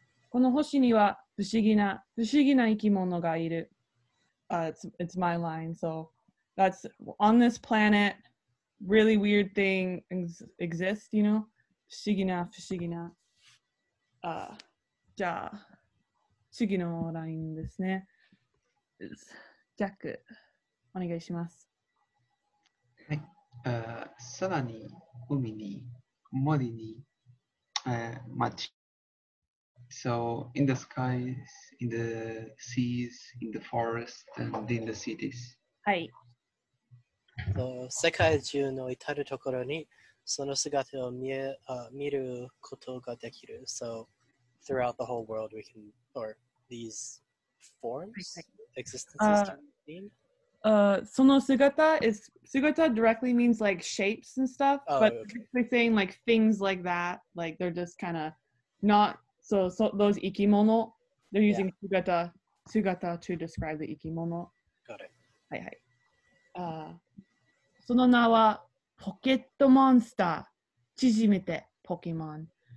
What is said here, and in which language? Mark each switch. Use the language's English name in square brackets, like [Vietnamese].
[Japanese] この星には不思議な生き物がいる。 [English] It's my line, so... That's on this planet, really weird things exist, you know? [Japanese] 不思議な、不思議な。じゃあ、次のラインですね。ジャック、お願いします。はい。さらに、海に、森に、街。 [English] So, in the skies, in the seas, in the forest, and in the cities. [Japanese] はい。世界中の至るところにその姿を見ることができる。 [English] So, throughout the whole world, we can, or these forms, existences can be seen. [Japanese] その姿 [English] directly means like shapes and stuff, but they're saying like things like that, like they're just kind of not, so those 生き物, they're using 姿 to describe the 生き物. Got it. [Japanese] はいはい。その名はポケットモンスター縮めてポケモン。